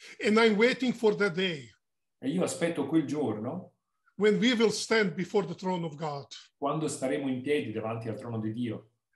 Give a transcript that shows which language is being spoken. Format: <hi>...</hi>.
<en>And I'm waiting for that day.</en> <it>E io aspetto quel giorno.</it> <en>When we will stand before the throne of God.</en> <it>Quando staremo in piedi davanti al trono di Dio.</it>